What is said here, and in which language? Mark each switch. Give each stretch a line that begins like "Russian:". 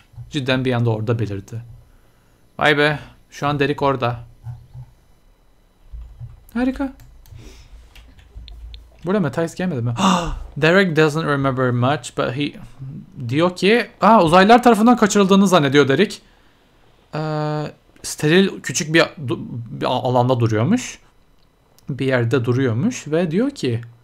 Turkish: Cidden bir anda orada belirdi. Vay be. Şu an Derek orada. Harika. Burada Matthias gelmedi mi?
English: Derek doesn't remember much but he...
Turkish: Diyor ki... uzaylılar tarafından kaçırıldığını zannediyor Derek. Steril küçük bir alanda duruyormuş. Bir yerde duruyormuş ve diyor ki...